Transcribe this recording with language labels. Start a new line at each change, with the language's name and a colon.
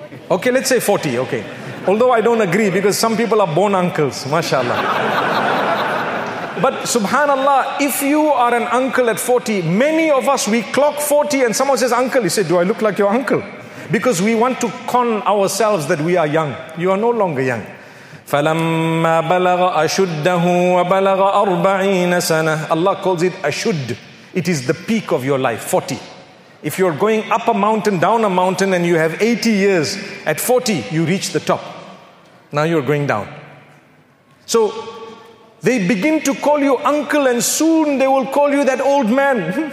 English: Okay, let's say 40, okay. Although I don't agree, because some people are born uncles, mashallah. But subhanallah, if you are an uncle at 40, many of us, we clock 40 and someone says, uncle, you say, do I look like your uncle? Because we want to con ourselves that we are young. You are no longer young.
Arabic: فَلَمَّا بَلَغَ أَشُدَّهُ وَبَلَغَ أَرْبَعِينَ سَنَةً
English: Allah calls it Ashud. It is the peak of your life, 40. If you're going up a mountain, down a mountain, and you have 80 years, at 40, you reach the top. Now you're going down. So they begin to call you uncle, and soon they will call you that old man.